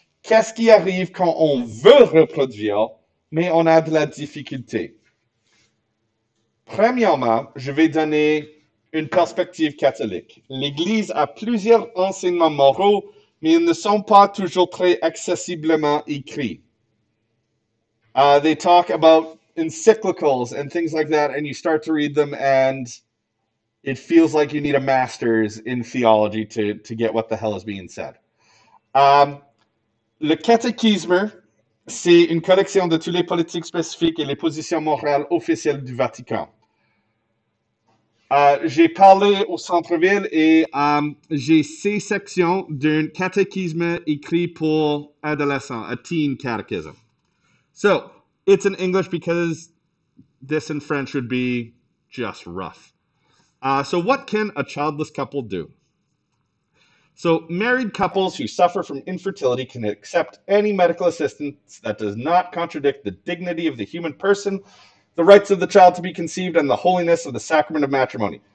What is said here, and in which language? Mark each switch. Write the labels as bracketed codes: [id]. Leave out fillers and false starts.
[fr] Qu'est-ce qui arrive quand on veut reproduire, mais on a de la difficulté? Premièrement, je vais donner une perspective catholique. L'Église a plusieurs enseignements moraux, mais ils ne sont pas toujours très accessiblement écrits. [en] They talk about encyclicals and things like that, and you start to read them and it feels like you need a master's in theology to get what the hell is being said. [fr] Le catéchisme, c'est une collection de toutes les politiques spécifiques et les positions morales officielles du Vatican. J'ai parlé au centre-ville et j'ai ces sections d'un catéchisme écrit pour adolescents, [en] a teen catechism. So, it's in English because this in French would be just rough. So, what can a childless couple do? So, married couples who suffer from infertility can accept any medical assistance that does not contradict the dignity of the human person, the rights of the child to be conceived, and the holiness of the sacrament of matrimony.